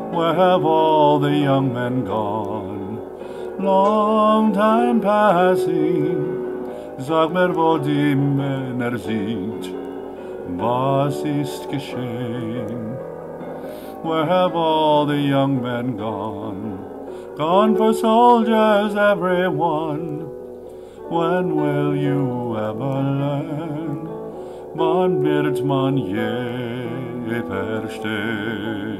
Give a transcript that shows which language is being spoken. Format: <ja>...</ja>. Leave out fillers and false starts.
<en>Where have all the young men gone? Long time passing.</en> <de>Sag mir, wo die Männer sind. Was ist geschehen?</de> <en>Where have all the young men gone? Gone for soldiers, everyone. When will you ever learn?</en> <de>Wann wird man je verstehen?</de>